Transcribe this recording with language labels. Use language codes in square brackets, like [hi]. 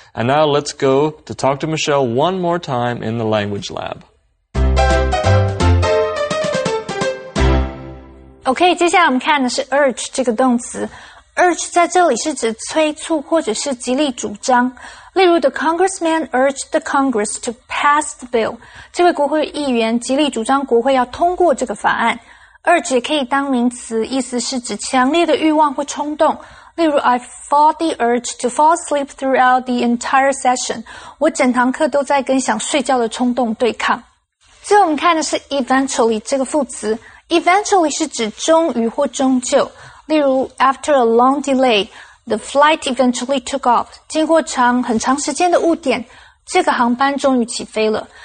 [en] And now let's go to talk to Michelle one more time in the language lab. [zh] Okay, 接下来我们看的是 urge 这个动词。Urge 在这里是指催促或者是极力主张。例如 [en] ,the congressman urged the Congress to pass the bill. [zh] 这位国会议员极力主张国会要通过这个法案。 Urge 也可以当名词，意思是指强烈的欲望或冲动。例如 [en] ,I fought the urge to fall asleep throughout the entire session. [zh] 我整堂课都在跟想睡觉的冲动对抗。最后我们看的是 eventually 这个副词。Eventually 是指终于或终究。例如 [en] ,after a long delay, the flight eventually took off. [zh] 经过长很长时间的误点，这个航班终于起飞了。